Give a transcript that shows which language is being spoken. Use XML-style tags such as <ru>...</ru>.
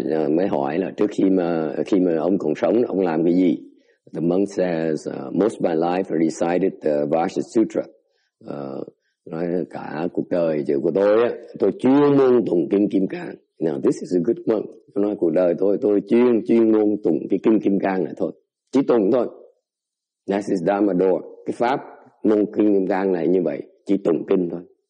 <vi>Mới hỏi là trước khi mà ông còn sống ông làm cái gì.</vi> <en>The monk says, most of my life I recited the Vajra Sutra.</en> <vi>Nói cả cuộc đời của tôi á, tôi chuyên môn tụng kinh Kim Cang.</vi> <en>Now this is a good monk.</en> <vi>Nói cuộc đời tôi chuyên môn tụng cái kinh Kim Cang này thôi, chỉ tụng thôi.</vi> <en>That is Dharma Door.</en> <vi>Cái pháp môn kinh Kim Cang này như vậy, chỉ tụng kinh thôi.</vi>